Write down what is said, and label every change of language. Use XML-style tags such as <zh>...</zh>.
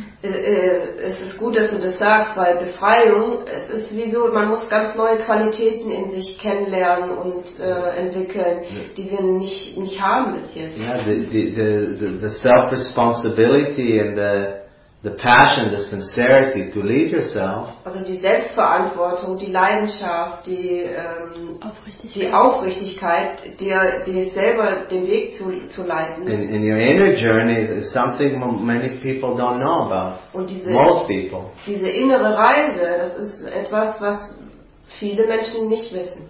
<de>Es ist gut, dass du das sagst, weil Befreiung, es ist wie so, man muss ganz neue Qualitäten in sich kennenlernen und entwickeln, die wir nicht haben bis jetzt.</de> <en>Yeah, the self-responsibility and the passion, the sincerity to lead yourself.</en> <de>Also die Selbstverantwortung, die Leidenschaft, die Aufrichtigkeit, dir selber den Weg zu leiten.</de> <en>In your inner journey is something many people don't know about.</en> <de>Und diese,</de> <en>most people.</en> <de>Diese innere Reise, das ist etwas, was viele Menschen nicht wissen.</de>